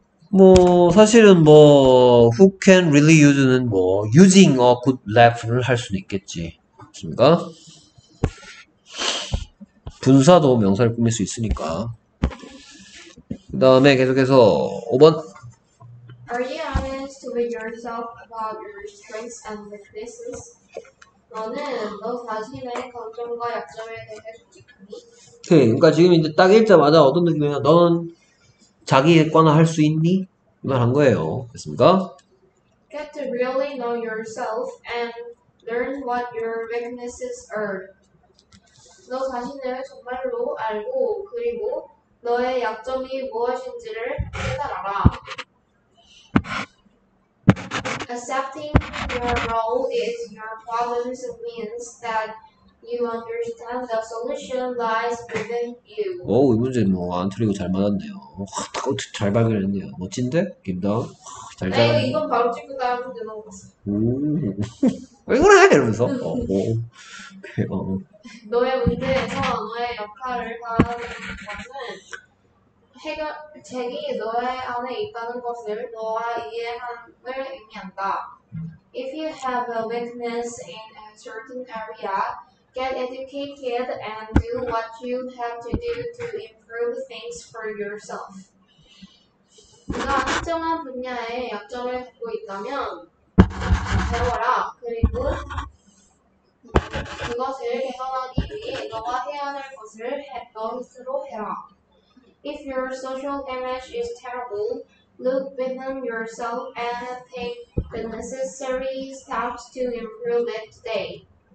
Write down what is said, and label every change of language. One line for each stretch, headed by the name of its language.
Korean: 뭐 사실은 뭐
English: who can really use
Korean: 는 뭐
English: using a good laugh
Korean: 를 할 수는 있겠지. 됐습니까? 분사도 명사를 꾸밀 수 있으니까. 그 다음에 계속해서 5번.
English: Are you honest with yourself about your strengths and weaknesses?
Korean: 너는 너 자신의 강점과 약점에 대해 솔직하니? 그러니까 지금 이제 딱 읽자마자 어떤 느낌이냐? 너는 자기의 관할 할수 있니? 이말한 거예요. 그렇습니까?
English: Get to really know yourself and learn what your weaknesses are.
Korean: 너 자신을 정말로 알고, 그리고 너의 약점이 무엇인지를 깨달아라.
English: Accepting your role is your problems means that you understand the solution lies within you.
Korean: 오, 이 문제 뭐안 틀리고 잘 맞았네요. 잘 발견했네요. 멋진데? 김다운? 잘 내가 자라네. 이건 바로 찍고 다음으로 넘어갔어. 오, 왜 그래? 이러면서. 오, 대박. 너의 문제에서 너의 역할을 다하는 것은 핵이 너의 안에 있다는 것을 너와 이해함을 의미한다.
English: If you have a weakness in a certain area, get educated and do what you have to do to improve things for yourself.
Korean: 네가 특정한 분야에 약점을 갖고 있다면 배워라. 그리고 그것을 개선하기 위해 너가 해야 할 것을 너 스스로 해라.
English: If your social damage is terrible, look within yourself and take the necessary steps to improve it today.